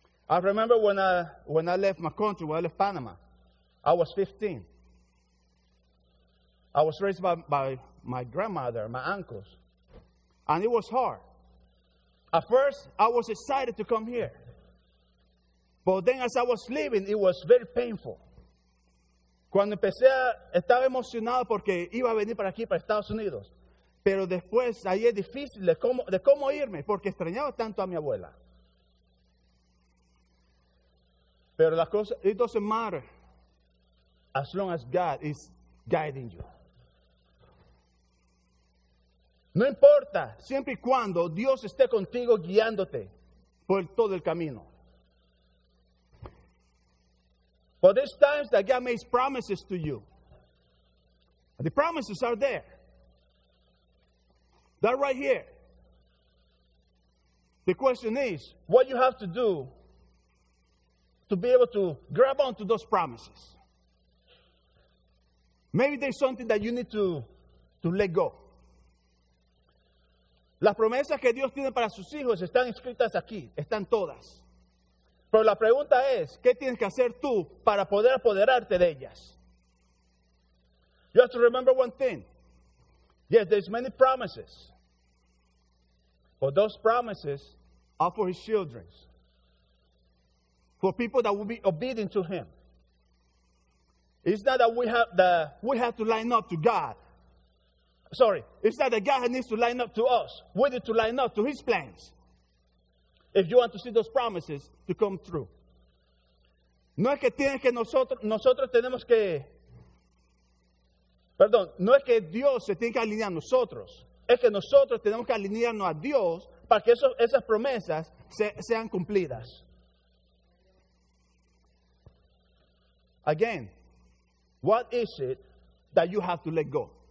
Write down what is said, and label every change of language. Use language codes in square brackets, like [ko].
[en] I remember when I left my country, when I left Panama, I was 15. I was raised by my grandmother, my uncles, and it was hard. At first, I was excited to come here. But then as I was leaving, it was very painful. [es] Cuando empecé, estaba emocionado porque iba a venir para aquí, para Estados Unidos. Pero después, ahí es difícil de cómo irme, porque extrañaba tanto a mi abuela. Pero las cosas, [en] it doesn't matter as long as God is guiding you. [es] No importa siempre y cuando Dios esté contigo guiándote por todo el camino. [en] But there's times that God makes promises to you. And the promises are there. They're right here. The question is, what you have to do to be able to grab onto those promises. Maybe there's something that you need to let go. [es] Las promesas que Dios tiene para sus hijos están escritas aquí. Están todas. Pero la pregunta es, ¿qué tienes que hacer tú para poder apoderarte de ellas? [en] You have to remember one thing. Yes, there's many promises. But those promises are for his children. For people that will be obedient to him. It's not that we have to line up to God. Sorry, it's not that God needs to line up to us. We need to line up to his plans. If you want to see those promises to come true. [es] No es que tienes que nosotros tenemos que. Perdón, no es que Dios se tenga que alinear a nosotros. Es que nosotros tenemos que alinearnos a Dios para que esas promesas sean cumplidas. [en] Again, what is it that you have to let go?